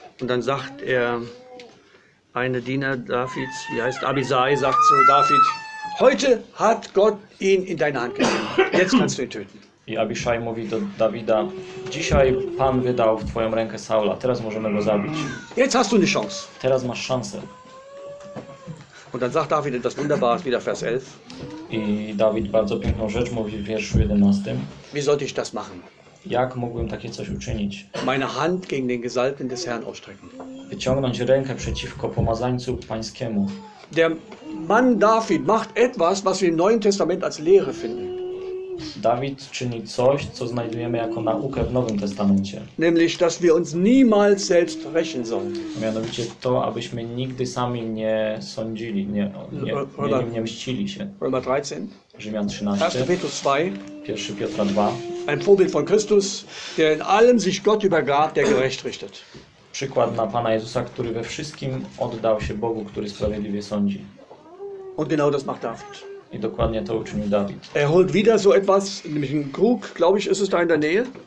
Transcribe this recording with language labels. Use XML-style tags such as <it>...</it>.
<de>Und dann sagt er, eine Diener Davids, wie heißt Abisai, sagt zu David, heute hat Gott ihn in deine Hand gegeben, jetzt kannst du ihn töten.</de> <pl>I Abishai mówi do Dawida, dzisiaj Pan wydał w Twoją rękę Saula, teraz możemy go zabić.</pl> <de>Jetzt hast du eine Chance.</de> <pl>Teraz masz szansę.</pl> <de>Und dann sagt David etwas Wunderbares, wieder Vers 11.</de> <pl>I Dawid bardzo piękną rzecz mówi w wierszu 11.</pl> <de>Wie sollte ich das machen?</de> <pl>Jak mógłbym takie coś uczynić?</pl> <de>Meine Hand gegen den Gesalbten des Herrn ausstrecken.</de> <pl>Wyciągnąć rękę przeciwko pomazańcu pańskiemu.</pl> <de>Der Mann David macht etwas, was wir im Neuen Testament als Lehre finden.</de> <pl>David czyni coś, co znajdujemy jako naukę w Nowym Testamencie.</pl> <de>Nämlich, dass wir uns niemals selbst rächen sollen.</de> <pl>Mianowicie to, abyśmy nigdy sami nie sądzili, nie mścili się.</pl> <de>Römer 13.</de> <pl>Rzymian 13.</pl> <de>1. Petrus 2.</de> <pl>1. Piotra 2.</pl> <de>Ein Vorbild von Christus, der in allem sich Gott übergab, der gerecht richtet.</de> <pl>Przykład na Pana Jezusa, który we wszystkim oddał się Bogu, który sprawiedliwie sądzi.</pl> <de>Und genau das macht David.</de> <pl>I dokładnie to uczynił David.</pl> <de>Er holt wieder so etwas, nämlich einen Krug, glaube ich, ist es da in der Nähe?</de>